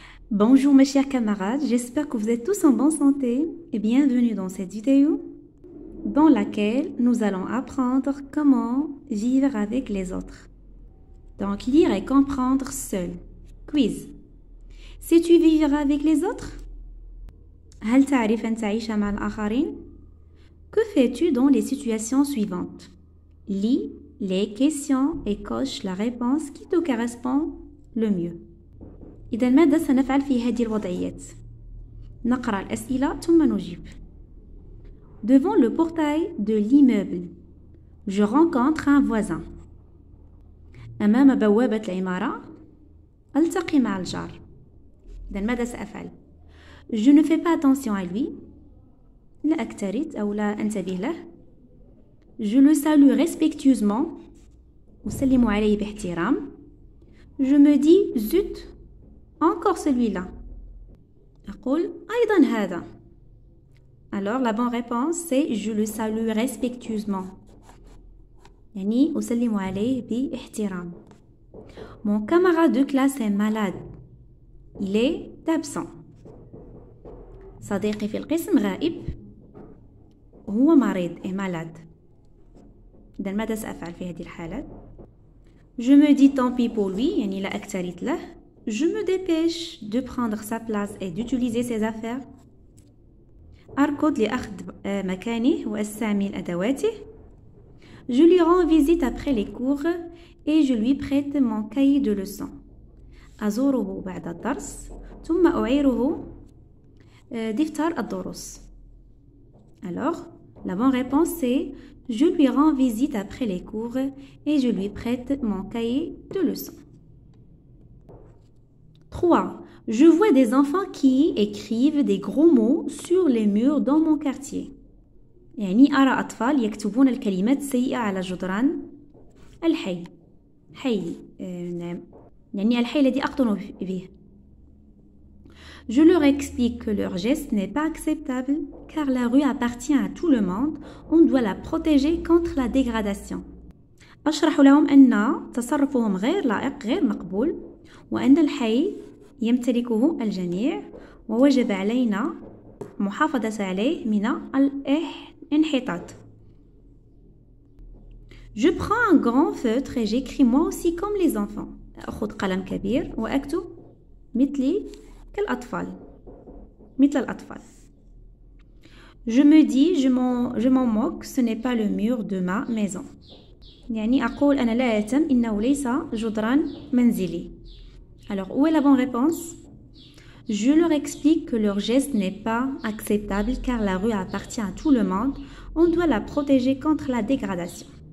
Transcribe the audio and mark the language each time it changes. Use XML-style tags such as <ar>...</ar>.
<fr>Bonjour mes chers camarades, j'espère que vous êtes tous en bonne santé et bienvenue dans cette vidéo dans laquelle nous allons apprendre comment vivre avec les autres. Donc, lire et comprendre seul. Quiz. Sais-tu vivre avec les autres?</fr> <ar>هل تعرف أن تعيش مع الآخرين?</ar> <fr>Que fais-tu dans les situations suivantes? Lis les questions et coche la réponse qui te correspond le mieux.</fr> <ar>إذا ماذا سنفعل في هذه الوضعيات؟ نقرأ الأسئلة ثم نجيب.</ar> <fr>Devant le portail de l'immeuble, je rencontre un voisin.</fr> <ar>أمام بوابة العمارة، ألتقي مع الجار. إذا ماذا سأفعل؟</ar> <fr>Je ne fais pas attention à lui.</fr> <ar>لا أكترث أو لا أنتبه له.</ar> <fr>Je le salue respectueusement.</fr> <ar>أسلم عليه باحترام.</ar> <fr>Je me dis زوت. Encore celui-là.</fr> <ar>أقول أيضا هذا.</ar> <fr>Alors la bonne réponse c'est je le salue respectueusement.</fr> <ar>يعني أسلم عليه باحترام.</ar> <fr>Mon camarade de classe est malade. Il est absent.</fr> <ar>صديقي في القسم غائب. هو مريض.</ar> <fr>Est malade.</fr> <ar>إذا ماذا سأفعل في هذه الحالات؟</ar> <fr>Je me dis tant pis pour lui.</fr> <ar>يعني لا أكترث له.</ar> <fr>Je me dépêche de prendre sa place et d'utiliser ses affaires.</fr> <ar>أركض لأخذ مكاني وأستعمل أدواته.</ar> <fr>Je lui rends visite après les cours et je lui prête mon cahier de leçons.</fr> <ar>أزوره بعد الدرس ثم أعيره دفتر الدروس.</ar> <fr>Alors, la bonne réponse est je lui rends visite après les cours et je lui prête mon cahier de leçons. 3. Je vois des enfants qui écrivent des gros mots sur les murs dans mon quartier.</fr> <ar>يعني أرى أطفال يكتبون الكلمات السيئة على جدران الحي. حي نعم. يعني الحي الذي أقطن به.</ar> <fr>Je leur explique que leur geste n'est pas acceptable car la rue appartient à tout le monde. On doit la protéger contre la dégradation.</fr> <ar>أشرح لهم أن تصرفهم غير لائق غير مقبول وأن الحي يمتلكه الجميع ووجب علينا محافظة عليه من الانحطاط.</ar> <fr>Je prends un grand feutre et j'écris moi aussi comme les enfants.</fr> <ar>أخذ قلم كبير وأكتب مثلي كالأطفال. مثل الأطفال.</ar> <fr>Je me dis je m'en moque, ce n'est pas le mur de ma maison.</fr> <ar>يعني أقول أنا لا أهتم إنه ليس جدران منزلي.</ar> <fr>Alors, où est la bonne réponse? Je leur explique que leur geste n'est pas acceptable car la rue appartient à tout le monde. On doit la protéger contre la dégradation.</fr>